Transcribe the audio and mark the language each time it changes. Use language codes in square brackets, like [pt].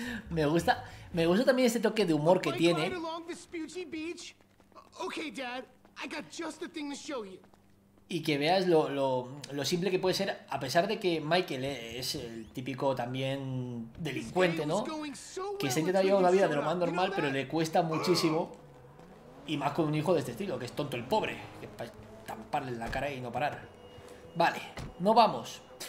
[es] Me gusta también ese toque de humor que tiene. [en] Bike ride along Vespucci Beach? Okay, Dad, I got just the thing to show you. [es] Y que veas lo simple que puede ser, a pesar de que Michael es el típico también delincuente, ¿no? Que se intenta llevar una vida de lo más normal, pero le cuesta muchísimo. Y más con un hijo de este estilo, que es tonto el pobre. Que es para taparle la cara y no parar. Vale, no vamos.